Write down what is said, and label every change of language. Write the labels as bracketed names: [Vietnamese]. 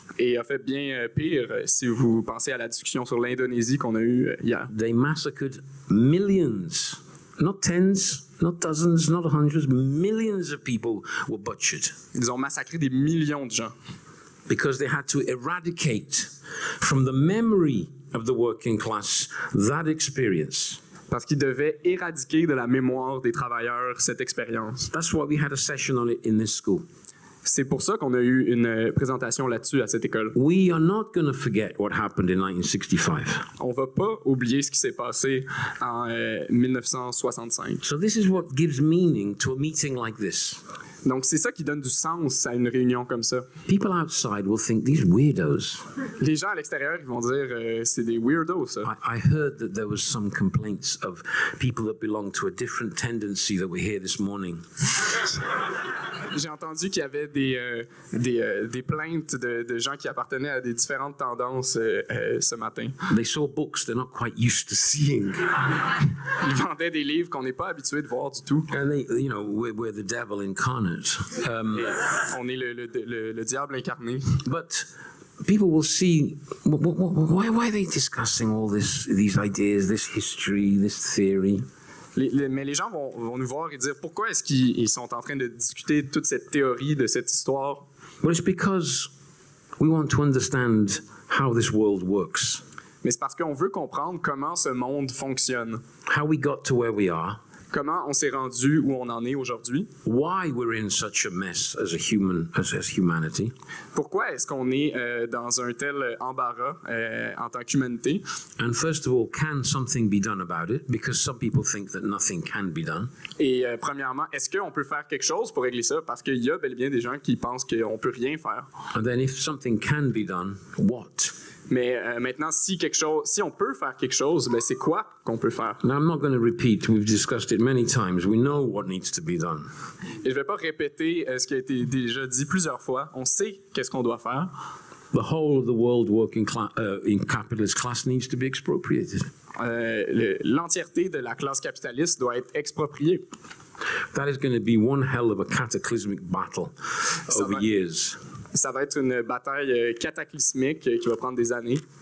[French] Et a fait bien pire si vous pensez à la discussion sur l'Indonésie qu'on a eue hier. [English] They massacred millions, not tens, not dozens, not hundreds, millions of people were butchered. [French] Ils ont massacré des millions de gens. [English] Because they had to eradicate from the memory of the working class that experience. [French] Parce qu'ils devaient éradiquer de la mémoire des travailleurs cette expérience. [English] That's why we had a session on it in this school. [French] C'est pour ça qu'on a eu une présentation là-dessus à cette école. [English] We are not going to forget what happened in 1965. [French] On va pas oublier ce qui s'est passé en 1965. [English] So this is what gives meaning to a meeting like this. [French] Donc, c'est ça qui donne du sens à une réunion comme ça. [English] People outside will think these weirdos. [French] Les gens à l'extérieur ils vont dire c'est des weirdos, ça. [English] I heard that there was some complaints of people that belong to a different tendency that we're here this morning. [French] J'ai entendu qu'il y avait des plaintes de gens qui appartenaient à des différentes tendances ce matin. [English] They saw books they're not quite used to seeing. [French] Ils vendaient des livres qu'on n'est pas habitué de voir du tout. [English] And they, you know, we're the devil incarnate. [French] On est le diable incarné. [English] But people will see why are they discussing all these ideas, this history, this theory? [French] Mais les gens vont nous voir et dire pourquoi est-ce qu'ils sont en train de discuter toute cette théorie de cette histoire. [English] Well, it's because we want to understand how this world works. [French] Mais c'est parce qu'on veut comprendre comment ce monde fonctionne. [English] How we got to where we are. [French] Comment on s'est rendu où on en est aujourd'hui. [English] Why we're in such a mess as a human, as humanity. [French] Pourquoi est-ce qu'on est dans un tel embarras en tant qu'humanité. [English] And first of all, can something be done about it? Because some people think that nothing can be done. [French] Et premièrement, est-ce qu'on peut faire quelque chose pour régler ça? Parce qu'il y a bel et bien des gens qui pensent qu'on peut rien faire. [English] And then if something can be done, what? [French] Mais maintenant, si on peut faire quelque chose, ben c'est quoi qu'on peut faire? [English] Now, I'm not going to repeat. We've discussed it many times. We know what needs to be done. [French] Et je vais pas répéter ce qui a été déjà dit plusieurs fois. On sait qu'est-ce qu'on doit faire. [English] The whole of the world working in capitalist class needs to be expropriated. [French] L'entièreté de la classe capitaliste doit être expropriée. [English] That is going to be one hell of a cataclysmic battle over years. [French] Ça va être une bataille cataclysmique qui va prendre des années.